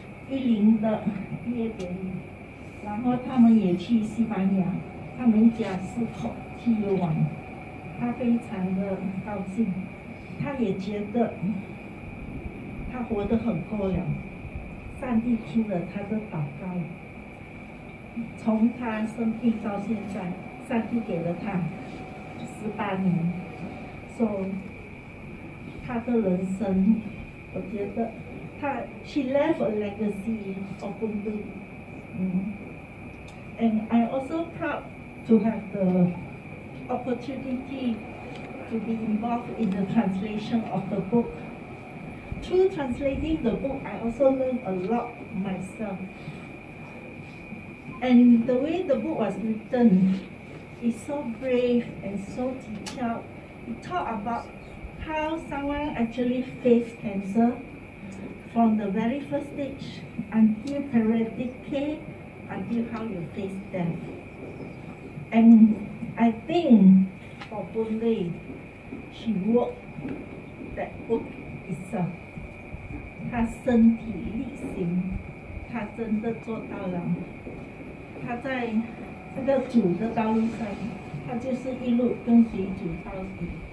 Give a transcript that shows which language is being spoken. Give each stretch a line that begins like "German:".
Chinese: 一零的毕业典礼，然后他们也去西班牙，他们家四口去游玩，他非常的高兴，他也觉得他活得很过了，上帝听了他的祷告，从他生病到现在，上帝给了他18年，所以他的人生，我觉得。
English: She left a legacy of Boon Lui. And I'm also proud to have the opportunity to be involved in the translation of the book. Through translating the book, I also learned a lot myself. And the way the book was written is so brave and so detailed. It talked about how someone actually faced cancer from the very first stage until periodic care, until how you face death. And I think for Boon Lui, she wrote that book itself.
Chinese: 她身体力行，她真的做到了。她在这个主的道路上，她就是一路跟随主到底。